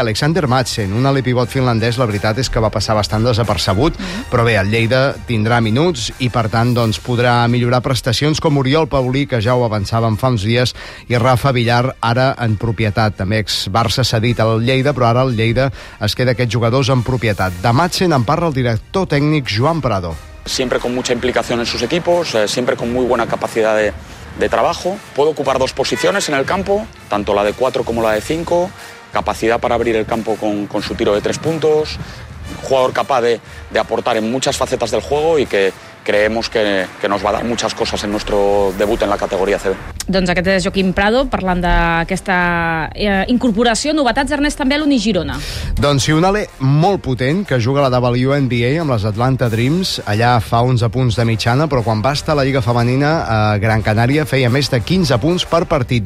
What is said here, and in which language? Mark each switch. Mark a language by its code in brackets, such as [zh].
[ca] Alexander Madsen, un alé pivot finlandès, la veritat és que va passar bastant desapercebut, però bé, el Lleida tindrà minuts i, per tant, doncs, podrà millorar prestacions com Oriol Paulí, que ja ho avançava en fa uns dies, i Rafa Villar, ara en propietat. També ex-Barça cedit al Lleida, però ara el Lleida es queda aquests jugadors en propietat. De Madsen en parla el director tècnic Joan Prado. [es] Siempre con mucha implicación en sus equipos, siempre con muy buena capacidad de trabajo. Puedo ocupar 2 posiciones en el campo, tanto la de 4 como la de 5, capacidad para abrir el campo con su tiro de 3 puntos, jugador capaz de aportar en muchas facetas del juego y que creemos que nos va a dar muchas cosas en nuestro debut en la categoría CB. [ca] Doncs aquest és Joaquim Prado, parlant d'aquesta incorporació. Novetats, Ernest, també a l'Uni Girona. Doncs sí, un alé molt potent que juga a la WNBA amb les Atlanta Dreams. Allà fa 11 punts de mitjana, però quan va estar a la Lliga Femenina a Gran Canària feia més de 15 punts per partit.